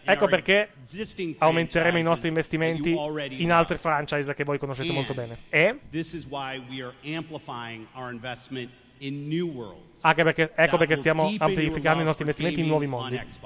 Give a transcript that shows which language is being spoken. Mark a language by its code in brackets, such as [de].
[it] Ecco perché aumenteremo i nostri investimenti in altre franchise che voi conoscete molto bene. E [en] this is why we are amplifying our investment in new worlds. [it] Anche perché, ecco perché stiamo amplificando i nostri investimenti in nuovi mondi.